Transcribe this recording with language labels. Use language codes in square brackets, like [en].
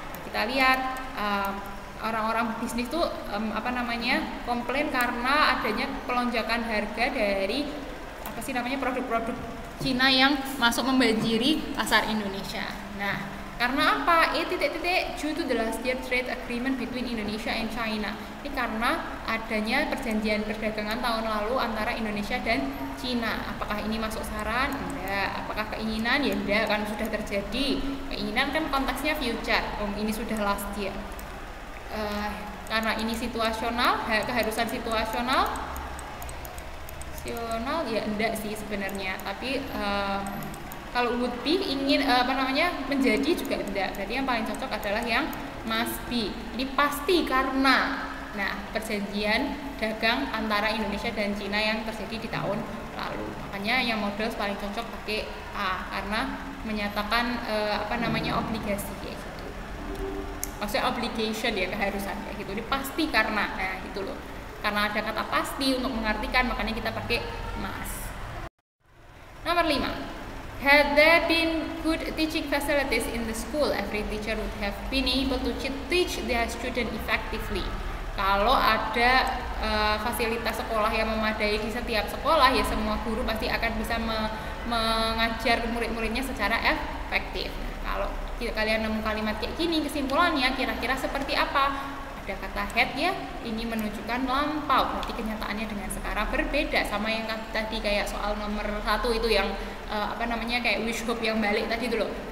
[id] Kita lihat orang-orang bisnis tuh komplain karena adanya pelonjakan harga dari produk-produk Cina yang masuk membanjiri pasar Indonesia. Nah, karena apa? [en] Due to the last year trade agreement between Indonesia and China. [id] Ini karena adanya perjanjian perdagangan tahun lalu antara Indonesia dan Cina. Apakah ini masuk saran? Enggak. Apakah keinginan? Ya enggak, kan sudah terjadi. Keinginan kan konteksnya future. Ini sudah last year. Karena ini situasional, keharusan situasional. Situasional ya enggak sih sebenarnya, tapi kalau would be ingin menjadi juga enggak. Berarti yang paling cocok adalah yang must be. Ini pasti karena perjanjian dagang antara Indonesia dan Cina yang terjadi di tahun lalu. Makanya yang models paling cocok pakai A karena menyatakan obligasi kayak gitu. Maksudnya obligation ya, keharusan kayak gitu. Ini pasti karena gitu loh. Karena ada kata pasti untuk mengartikan, makanya kita pakai must. Nomor 5. [en] Had there been good teaching facilities in the school, every teacher would have been able to teach their student effectively. [id] Kalau ada fasilitas sekolah yang memadai di setiap sekolah, ya semua guru pasti akan bisa mengajar murid-muridnya secara efektif. Kalau kalian nemu kalimat kayak gini, kesimpulannya kira-kira seperti apa? Ada kata had ya, ini menunjukkan lampau, berarti kenyataannya dengan sekarang berbeda sama yang tadi kayak soal nomor 1 itu yang kayak wish hope yang balik tadi itu loh.